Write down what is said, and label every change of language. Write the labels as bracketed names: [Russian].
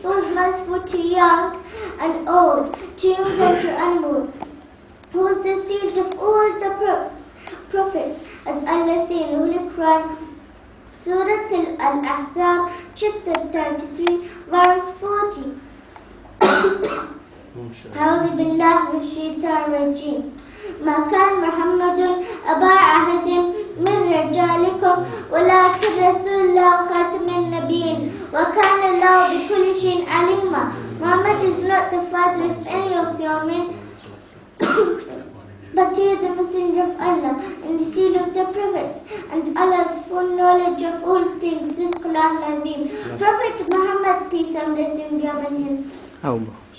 [English] He was merciful to young and old, to humans and to animals. He was the seed of all the prophets, as Allah said in the Holy Quran, Surah Al-Ahzab, chapter 33, verse 40. [Arabic] أعوذ بالله من الشيطان الرجيم. ما كان محمد أبا عهد من رجالكم ولكن رسول الله وخاتم النبيين وكان الله بكل شيء عليما. [English] Muhammad is not the father of any of your men, but he is the messenger of Allah and the seed of the prophets, and Allah has full knowledge of all things. This is Quran Azim. Prophet Muhammad, peace and blessings be upon him.